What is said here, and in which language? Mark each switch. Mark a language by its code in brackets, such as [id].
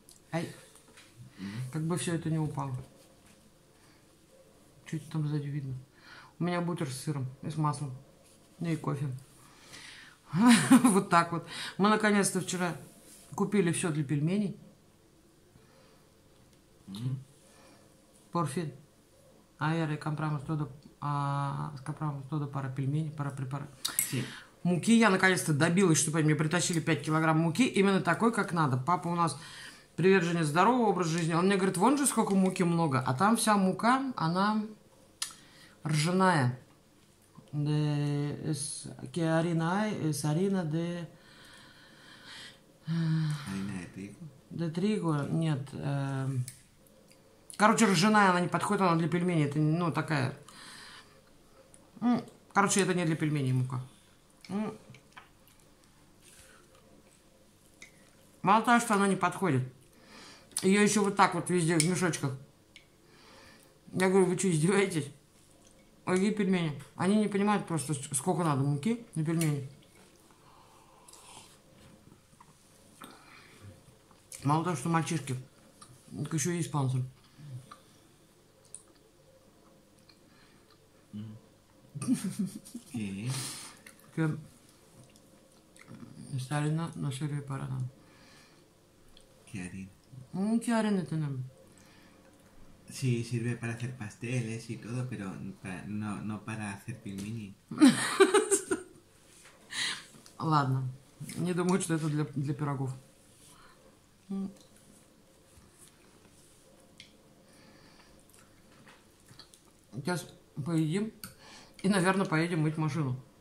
[ru] Ай, как бы все это не упало. Чуть там сзади видно. У меня бутер с сыром и с маслом, и кофе. Вот так вот. Мы наконец-то вчера купили все для пельменей. [es] Por fin. Ayer compramos todo para пельмени, para preparar. Sí. [ru] Муки я наконец-то добилась, чтобы они мне притащили 5 килограмм муки. Именно такой, как надо. Папа у нас приверженец здорового образа жизни. Он мне говорит, вон же сколько муки много. А там вся мука, она ржаная. [es] De... Es... Que harina hay? Es harina de... Harina de trigo? De trigo, [ru] нет... Короче, ржаная она не подходит, она для пельменей. Это, ну, такая... Короче, это не для пельменей мука. Мало того, что она не подходит. Ее еще вот так вот везде, в мешочках. Я говорю, вы что, издеваетесь? Ой, пельмени. Они не понимают просто, сколько надо муки на пельмени. Мало того, что мальчишки. Так еще и испанцы. [es] Que esta harina no sirve para nada. ¿Qué harina? ¿Qué harina tenemos? Sí, sirve para hacer pasteles y todo, pero para, no, no para hacer pilmini. [ru] Ладно, не думаю, что это для пирогов. Сейчас поедим. И, наверное, поедем мыть машину.